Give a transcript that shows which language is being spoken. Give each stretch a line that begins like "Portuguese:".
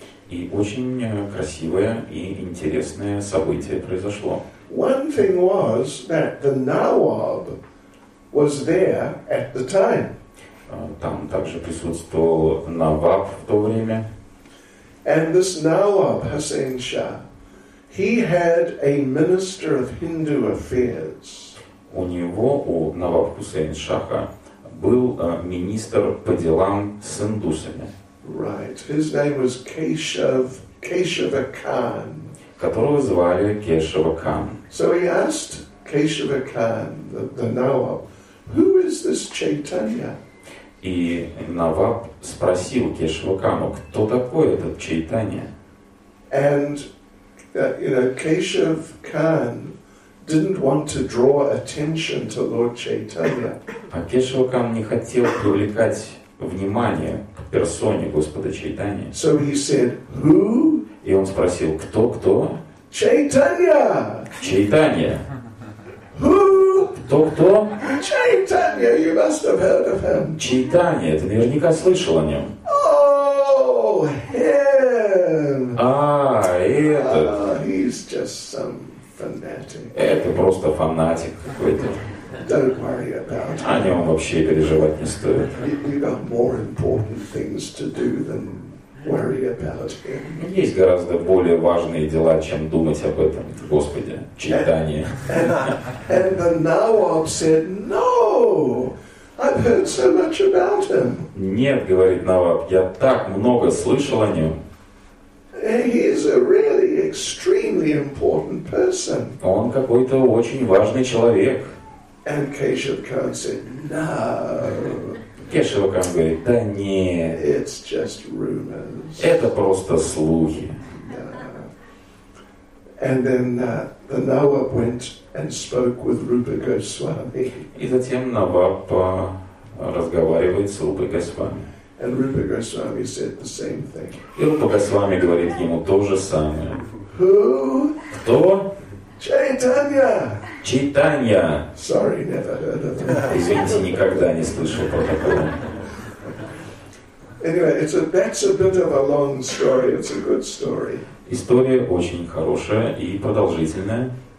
Russian: И очень красивое и интересное событие произошло.
English: One thing was that the Nawab was there at the time.
Russian: Там также присутствовал Наваб в то время.
English: And this Nawab, Hussain Shah, he had a minister of Hindu affairs.
Russian: У него, у Наваб Хусейн Шаха, был министр по делам с индусами.
English: Right. His name was Keshava Khan.
Russian: Которого звали Кешава Кан.
English: So he asked Keshava Khan, the Nawab, who is this Chaitanya?
Russian: И Наваб спросил Кешавакану, кто такой этот Чайтанья?
English: And you know, Keshav Khan didn't want to draw attention to Lord Chaitanya.
Russian: А Кешавакан не хотел привлекать внимание к персоне Господа Чайтанья.
English: So he said, who?
Russian: И он спросил, кто?
English: Chaitanya.
Russian: Чайтанья.
English: Who?
Russian: Кто?
English: Chaitanya, you must have heard of him.
Russian: Chaitanya, ты наверняка слышал о нем.
English: Oh, him.
Russian: Этот.
English: He's just some fanatic.
Russian: Это просто фанатик какой-то.
English: Don't worry about him.
Russian: О нем вообще переживать не стоит.
English: You've got more important things to do than worry about him.
Russian: Есть гораздо более важные дела, чем думать об этом, Господи, Чайтанья.
English: And the Nawab said, no, I've heard so much about him.
Russian: Нет, говорит Наваб, я так много слышал о нем.
English: He is a really extremely important person.
Russian: Он какой-то очень важный человек.
English: And Keshav Khan said, no.
Russian: Кешава Кан говорит, да нет.
English: It's just rumors.
Russian: Это просто слухи.
English: And then the Nawab went and spoke with Rupa Goswami.
Russian: И затем Наваб разговаривает с Рупой Госвами.
English: And Rupa Goswami said the same thing.
Russian: И Рупа Госвами говорит ему то же самое.
English: Who?
Russian: Кто?
English: Chaitanya.
Russian: Chaitanya.
English: Sorry, never heard of him.
Russian: Извините, никогда не слышал про такого.
English: Anyway, that's a bit of a long story. It's a good story.
Russian: История очень хорошая и продолжительная.